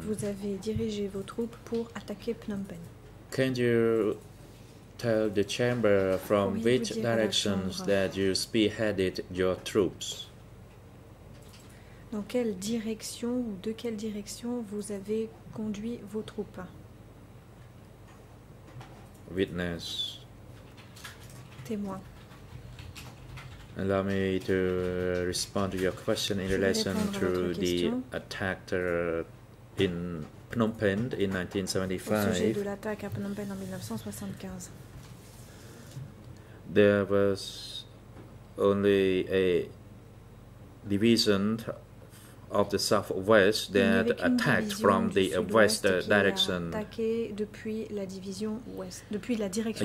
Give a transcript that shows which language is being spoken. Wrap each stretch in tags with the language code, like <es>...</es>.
<fr>Vous avez dirigé vos troupes pour attaquer Phnom Penh.</fr> <en>Can you tell the chamber from which directions that you spearheaded your troops?</en> <fr>Dans quelle direction ou de quelle direction vous avez conduit vos troupes?</fr> <en>Witness.</en> <fr>Témoin.</fr> <en>Allow me to respond to your question in relation to the attack in Phnom Penh in 1975.</en> <fr>Au sujet de l'attaque à Phnom Penh en 1975.</fr> <en>There was only a division of the southwest that attacked from the west direction.</en> <fr>Attaqué depuis la division ouest, depuis la direction</fr>